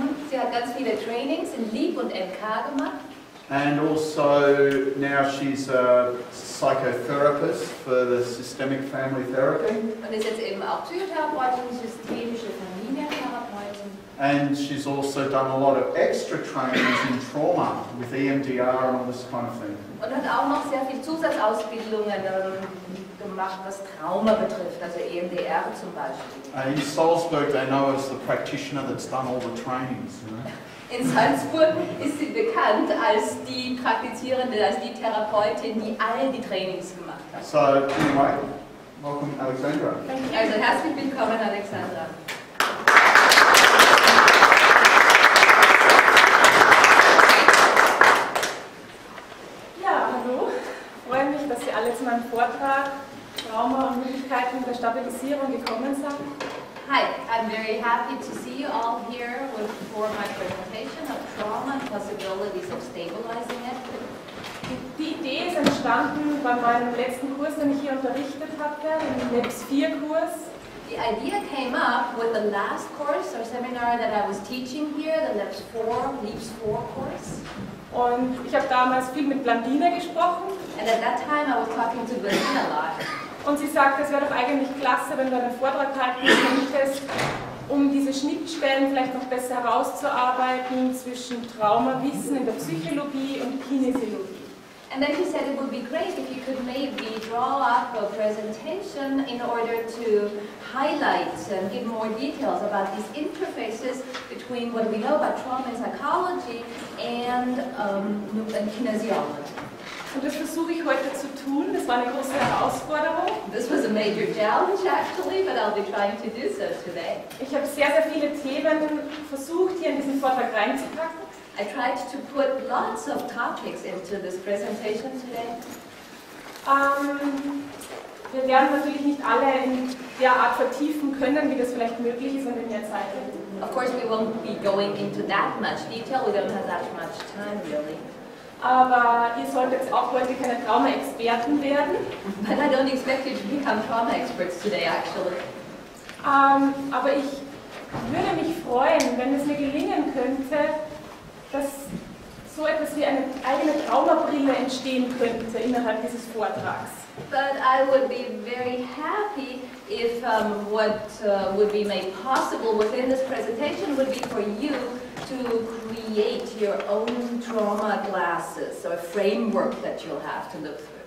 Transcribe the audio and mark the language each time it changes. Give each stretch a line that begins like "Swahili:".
German: Sie hat ganz viele Trainings in LEAP und MK gemacht.
English: And also now she's a psychotherapist for the systemic family therapy.
German: Und ist jetzt eben auch Psychotherapeutin, systemische Familientherapeutin.
English: And she's also done a lot of extra trainings in trauma with EMDR and all this kind of thing.
German: Und hat auch noch sehr viel Zusatzausbildungen gemacht, was Trauma betrifft, also EMDR zum Beispiel.
English: In Salzburg they know as the practitioner that's done all the trainings, you know.
German: In Salzburg ist sie bekannt als die Praktizierende, als die Therapeutin, die all die Trainings gemacht hat.
English: So, anyway, welcome Alexandra.
German: Also herzlich willkommen, Alexandra. Ja, hallo. Freue mich, dass Sie alle zu meinem Vortrag Trauma und Möglichkeiten der Stabilisierung gekommen sind.
English: Hi, I'm very happy to see you all here for my presentation of trauma and possibilities of stabilizing it.
German: Die Idee ist entstanden bei meinem letzten Kurs, den ich hier unterrichtet hatte, im NEPS 4 Kurs.
English: The idea came up with the last course or seminar that I was teaching here, the NEPS 4 course.
German: Und ich habe damals viel mit Blandine gesprochen.
English: And at that time I was talking to Blandine a lot.
German: Und sie sagt, es wäre doch eigentlich klasse, wenn du einen Vortrag halten könntest, um diese Schnittstellen vielleicht noch besser herauszuarbeiten zwischen Traumawissen in der Psychologie und Kinesiologie.
English: And then she said it would be great if you could maybe draw up a presentation in order to highlight and give more details about these interfaces between what we know about trauma in psychology and kinesiology.
German: Und das versuche ich heute zu tun. Das war eine große Herausforderung.
English: This was a major challenge actually, but I'll be trying to do so today.
German: Ich habe sehr, sehr viele Themen versucht, hier in diesen Vortrag reinzupacken.
English: I tried to put lots of topics into this presentation today.
German: Wir werden natürlich nicht alle in der Art vertiefen können, wie das vielleicht möglich ist, wenn wir Zeit haben.
English: Of course we won't be going into that much detail. We don't have that much time really.
German: Aber ihr solltet jetzt auch heute keine Trauma-Experten werden.
English: But I don't expect you to become trauma experts today, actually.
German: Aber ich würde mich freuen, wenn es mir gelingen könnte, dass so etwas wie eine eigene Traumabrille entstehen könnte innerhalb dieses Vortrags.
English: But I would be very happy if what would be made possible within this presentation would be for you to create your own trauma glasses or framework that you'll have to look through.